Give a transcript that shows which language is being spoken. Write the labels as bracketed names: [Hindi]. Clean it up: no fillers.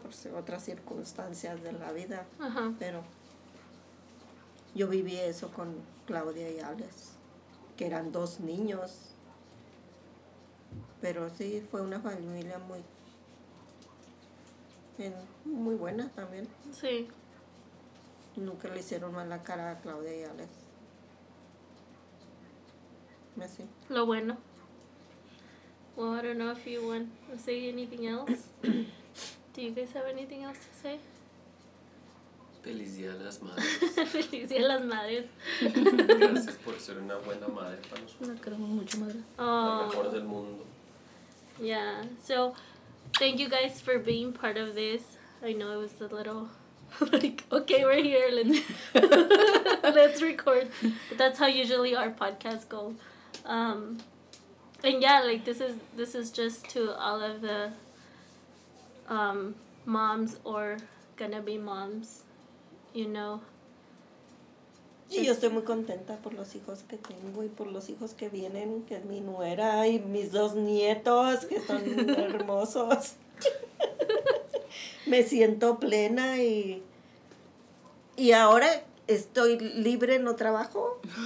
[Spanish] Por otras circunstancias de la vida. Uh-huh. Pero yo viví eso con Claudia y Alex, que eran dos niños. Pero sí, fue una familia muy, muy buena también. Sí. Nunca le hicieron mal la cara a Claudia y Alex. Así. Lo bueno. [English] Well, I don't know if you want to say anything else. Do you guys have anything else to say? [Spanish] Feliz día a las madres. Feliz día a las madres. Gracias por ser una buena madre para nosotros. La queremos mucho, madre. Oh. La mejor del mundo. [English] Yeah. So, thank you guys for being part of this. I know it was a little like, okay, we're here. Let's record. But that's how usually our podcasts go. And yeah, like this is just to all of the moms or gonna be moms, you know. [Spanish] Y yo estoy muy contenta por los hijos que tengo y por los hijos que vienen, que es mi nuera y mis dos nietos, que son hermosos. Me siento plena y ahora estoy libre, no trabajo.